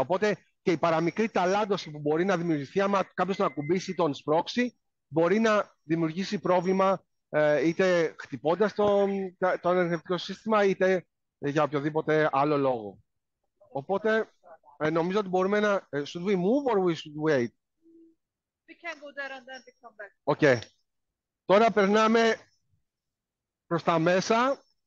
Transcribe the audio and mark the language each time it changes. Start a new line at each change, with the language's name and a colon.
Greek: Οπότε και η παραμικρή ταλάντωση που μπορεί να δημιουργηθεί άμα κάποιος τον ακουμπήσει ή τον σπρώξει μπορεί να δημιουργήσει πρόβλημα είτε χτυπώντας το ενεργητικό σύστημα είτε για οποιοδήποτε άλλο λόγο. Οπότε νομίζω ότι μπορούμε να...
English: Should we move or we should wait? We can go there and then we come back. Okay.
Greek: Τώρα περνάμε προς τα μέσα.